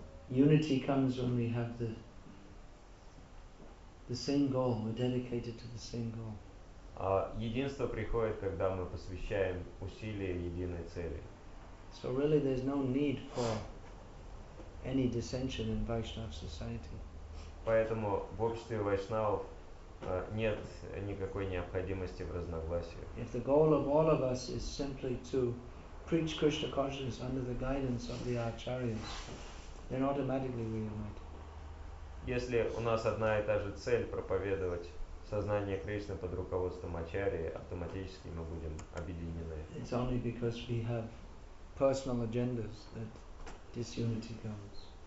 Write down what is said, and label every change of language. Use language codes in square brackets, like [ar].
[en] Unity comes when we have the same goal, we're dedicated to the same goal. [ru] Единство приходит, когда мы посвящаем усилия единой цели. [en] So really there's no need for any dissension in Vaishnav society. [ru] Поэтому в обществе вайшнавов нет никакой необходимости в разногласиях. [en] If the goal of all of us is simply to preach Krishna consciousness under the guidance of the acharyas, then automatically we unite. [ru] Если у нас одна и та же цель проповедовать сознание Кришны под руководством Ачарьи, автоматически мы будем объединены. [en] It's only because we have personal agendas that disunity comes.